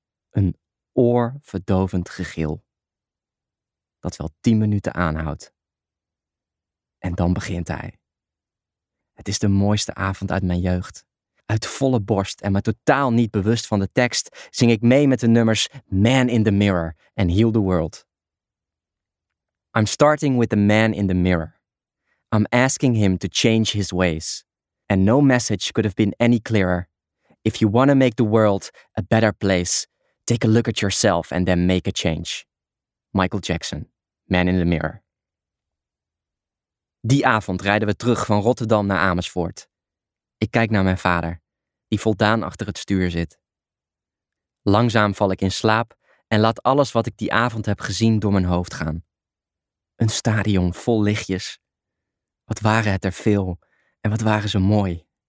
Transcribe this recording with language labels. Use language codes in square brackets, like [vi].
[nl] Een oorverdovend gegil. Dat wel 10 minuten aanhoudt. En dan begint hij. Het is de mooiste avond uit mijn jeugd. Uit volle borst en me totaal niet bewust van de tekst, zing ik mee met de nummers Man in the Mirror en Heal the World. [en] I'm starting with the man in the mirror. I'm asking him to change his ways. And no message could have been any clearer. If you want to make the world a better place, take a look at yourself and then make a change. Michael Jackson, Man in the Mirror. [nl] Die avond rijden we terug van Rotterdam naar Amersfoort. Ik kijk naar mijn vader, die voldaan achter het stuur zit. Langzaam val ik in slaap en laat alles wat ik die avond heb gezien door mijn hoofd gaan. Een stadion vol lichtjes. Wat waren het er veel en wat waren ze mooi.